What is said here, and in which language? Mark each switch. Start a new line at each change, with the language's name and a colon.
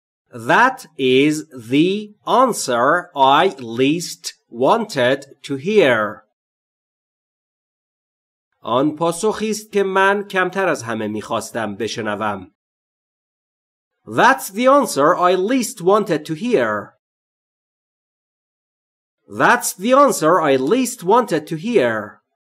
English: That is the answer I least wanted to hear.
Persian: آن پاسخی است که من کمتر از همه می‌خواستم بشنوم.
English: That's the answer I least wanted to hear. That's the answer I least wanted to hear.